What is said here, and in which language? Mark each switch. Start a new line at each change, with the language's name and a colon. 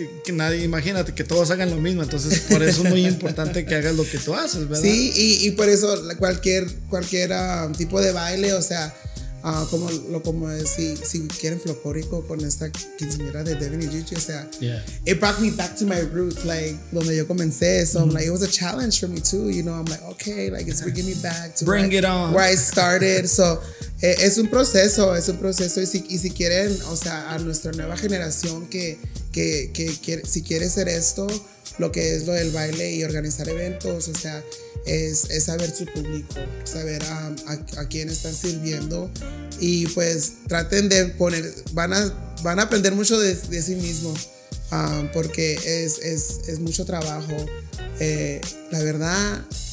Spanish: Que nadie, imagínate que todos hagan lo mismo. Entonces, por eso es muy importante que hagas lo que tú haces, ¿verdad? Sí, y por eso cualquier tipo de baile, o sea, como si quieren folclórico con esta quinceañera de Devin y Gigi, o sea,
English: yeah. It brought me back to my roots, like,
Spanish: donde yo comencé.
English: So, mm-hmm. I'm like, it was a challenge for me too, you know? I'm like, okay, like, it's bringing me back to where I started.
Spanish: So, es un proceso, y si quieren, o sea, a nuestra nueva generación que quiere, si quiere hacer esto, lo que es lo del baile y organizar eventos, o sea, es saber su público, saber a quién están sirviendo, y pues traten de poner, van a aprender mucho de sí mismo, porque es mucho trabajo, la verdad.